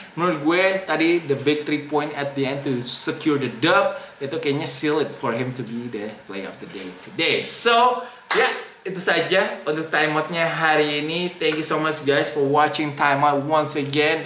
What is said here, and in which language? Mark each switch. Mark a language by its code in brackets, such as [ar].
[id] Menurut gue tadi [en] the big 3-point at the end to secure the dub, [id] itu kayaknya [en] seal it for him to be the player of the day today. So, yeah, [id] itu saja untuk timeout-nya hari ini. [en] Thank you so much guys for watching timeout once again.